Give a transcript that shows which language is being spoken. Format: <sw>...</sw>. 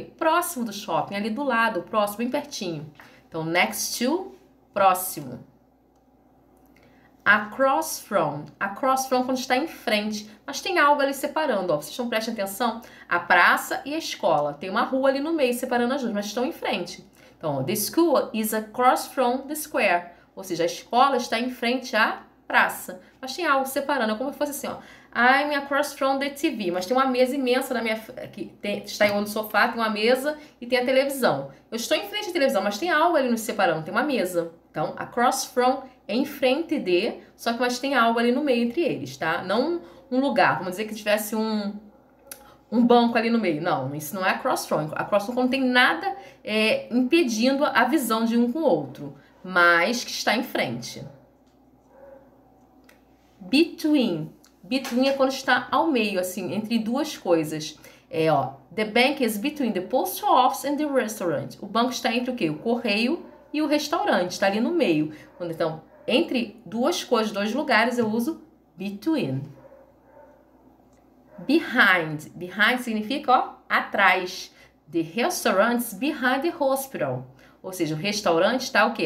<pt>Próximo do shopping, ali do lado, próximo, bem pertinho. Então, next to, próximo. Across from quando está em frente, mas tem algo ali separando, ó. Vocês estão prestando atenção? A praça e a escola. Tem uma rua ali no meio separando as duas, mas estão em frente.</pt> <en>Então, the school is across from the square.</en> <pt>Ou seja, a escola está em frente à praça, mas tem algo separando. É como se fosse assim, ó.</pt> <en>I'm across from the TV,</en> <pt>mas tem uma mesa imensa na minha que tem, está em um sofá, tem uma mesa e tem a televisão. Eu estou em frente à televisão, mas tem algo ali nos separando, tem uma mesa. Então, across from é em frente de, só que mas tem algo ali no meio entre eles, tá? Não um lugar, vamos dizer que tivesse um banco ali no meio. Não, isso não é across from. Across from não tem nada impedindo a visão de um com o outro, mas que está em frente. Between. Between é quando está ao meio, assim, entre duas coisas.</pt> <en>É, ó, the bank is between the post office and the restaurant.</en> <pt>O banco está entre o quê? O correio e o restaurante, está ali no meio. Quando então, entre duas coisas, dois lugares, eu uso between. Behind. Behind significa, ó, atrás.</pt> <en>The restaurant's behind the hospital.</en> <pt>Ou seja, o restaurante está o quê?</pt>